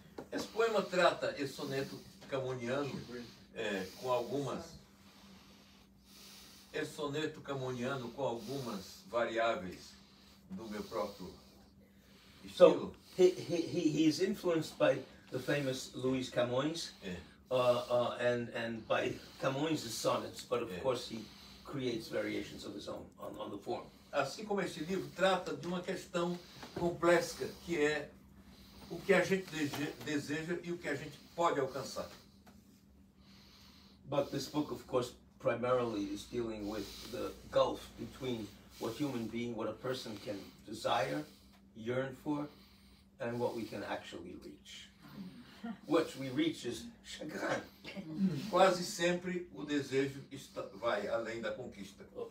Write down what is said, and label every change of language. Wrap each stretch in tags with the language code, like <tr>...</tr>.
<pt>Esse poema trata esse soneto camoniano com algumas. Esse soneto camoniano com algumas variáveis do meu próprio estilo.</pt> <en>So he is influenced by the famous Luiz Camões, and by Camões' sonnets, but of course he creates variations of his own on the form.</en> <pt>Assim como este livro trata de uma questão complexa, que é o que a gente deseja e o que a gente pode alcançar.</pt> <en>But this book, of course, primarily is dealing with the gulf between what human being, what a person can desire, yearn for, and what we can actually reach. What we reach is chagrin.</en> <pt>Quase sempre o desejo está, vai além da conquista.</pt>